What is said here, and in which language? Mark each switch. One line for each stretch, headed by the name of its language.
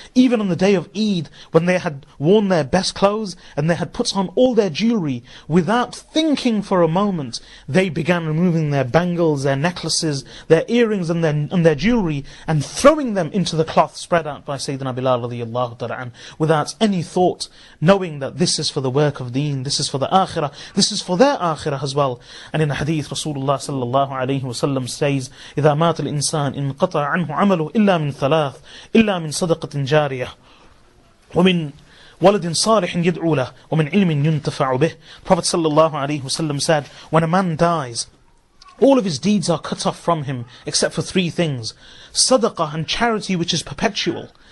English: Even on the day of Eid, when they had worn their best clothes and they had put on all their jewelry, without thinking for a moment, they began removing their bangles, their necklaces, their earrings and their jewelry, and throwing them into the cloth spread out by Sayyidina Bilal radiallahu ta'ala anhu, without any thought, knowing that this is for the work of deen, this is for the akhirah, this is for their akhirah as well. And in a hadith, Rasulullah sallallahu alayhi wa sallam says,
Arabic: إِذَا مَاتَ الْإِنسَانِ إِنْ قَطَعَ عَنْهُ عَمَلُهُ إِلَّا مِنْ ثَلَاثٍ إِلَّا مِنْ صَدَقَةٍ جَارِيَةٍ وَمِنْ وَلَدٍ صَالِحٍ يَدْعُو لَهُ وَمِنْ عِلْمٍ يُنْتَفَعُ بِهِ.
English: Prophet sallallahu alayhi wa sallam said, when a man dies, all of his deeds are cut off from him except for three things: sadaqah and charity, which is perpetual.